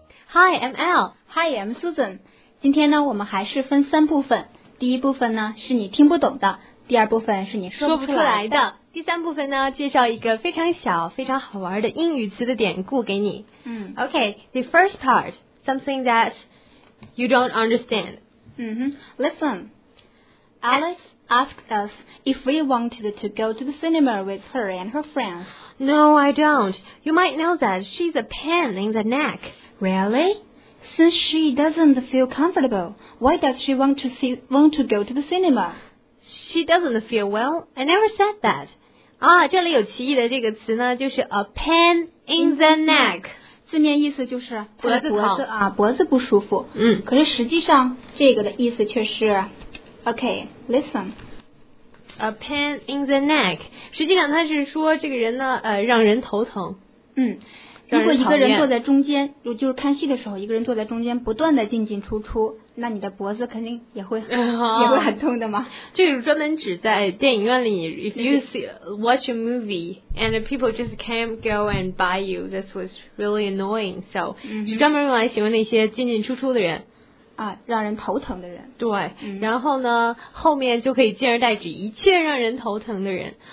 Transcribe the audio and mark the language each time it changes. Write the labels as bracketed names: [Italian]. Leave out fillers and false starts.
[English] Hi, I'm Al. Hi, I'm Susan. [Chinese] 今天呢，我们还是分三部分。第一部分呢，是你听不懂的；第二部分是你说不出来的；第三部分呢，介绍一个非常小、非常好玩的英语词的典故给你。 [English] Okay, the first part, something that you don't understand. Listen, Alice asked us if we wanted to go to the cinema with her and her friends. No, I don't. You might know that she's a pain in the neck. Really? Since she doesn't feel comfortable, why does she want to go to the cinema? She doesn't feel well. I never said that. [Chinese] 啊，这里有歧义的这个词呢，就是 [English] a pain in the neck. [Chinese] 字面意思就是脖子不舒服。嗯，可是实际上这个的意思却是 ， [English] Okay, listen. A pain in the neck. [Chinese] 实际上他是说这个人呢，让人头疼。如果一个人坐在中间，就是看戏的时候，一个人坐在中间不断的进进出出，那你的脖子肯定也会很痛的嘛。这个是专门指在电影院里 [English] ，if you watch a movie and people just can't go and by you, this was really annoying. [Chinese] So 是专门用来形容那些进进出出的人。啊，让人头疼的人。对，然后呢，后面就可以进而代指一切让人头疼的人。